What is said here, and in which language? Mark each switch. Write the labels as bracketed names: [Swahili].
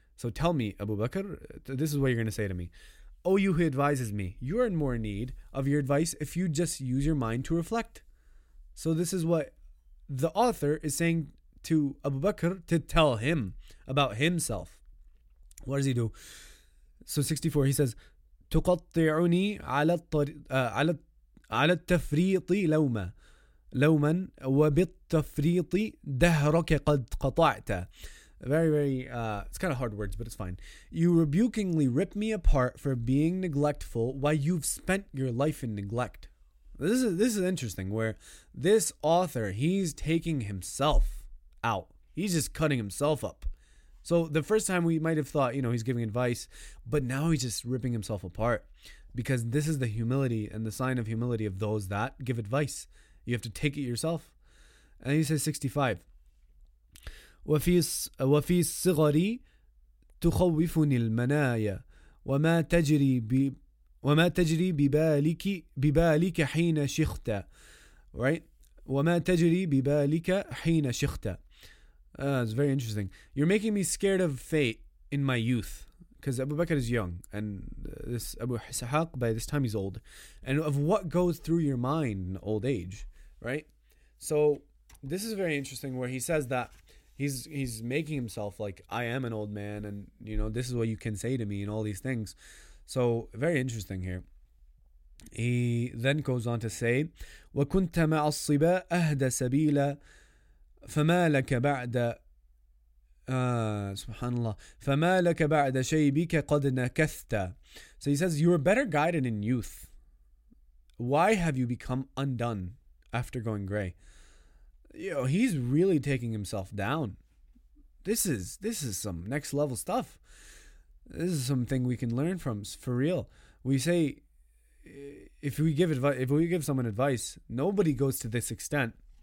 [English] So tell me, Abu Bakr, this is what you're going to say to me. O you who advises me, you're in more need of your advice if you just use your mind to reflect. So this is what the author is saying to Abu Bakr to tell him about himself. What does he do? So 64, he says, [Arabic] تقطعني على على التفريط لوما لوما وبالتفريط دهرك قد قطعت. [English] It's kind of hard words, but it's fine. You rebukingly rip me apart for being neglectful while you've spent your life in neglect. This is interesting, where this author, he's taking himself out. He's just cutting himself up. So the first time we might have thought, you know, he's giving advice, but now he's just ripping himself apart, because this is the humility and the sign of humility of those that give advice. You have to take it yourself. And he says 65. [Arabic] وفي صغري تخوفني المنايا وما تجري ببالك ببالك حين شخت. [English] Right? [Arabic] وما تجري ببالك حين شخت. [English] It's very interesting. You're making me scared of fate in my youth. Because Abu Bakr is young, and this Abu Ishaq, by this time, he's old. And of what goes through your mind in old age, right? So this is very interesting, where he says that he's making himself like, I am an old man, and, you know, this is what you can say to me and all these things. So very interesting here. He then goes on to say, [Arabic] وكنت مع الصبا أهدى سبيلا فما لك بعد سبحان الله فما لك بعد شيبك قد نكثت. [English] So he says, you were better guided in youth. Why have you become undone after going gray? You know, he's really taking himself down. This is some next level stuff. This is something we can learn from, for real. We say, if we give someone advice, nobody goes to this extent.